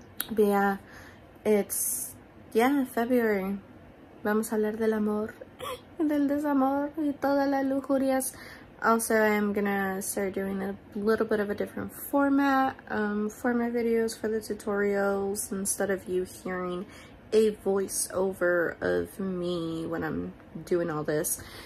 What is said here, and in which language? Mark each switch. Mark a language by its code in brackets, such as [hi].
[en] But yeah, it's, yeah, February. [es] Vamos a hablar del amor, del desamor, y todas las lujurias. [en] Also, I'm gonna start doing a little bit of a different format for my videos, for the tutorials, instead of you hearing a voiceover of me when I'm doing all this.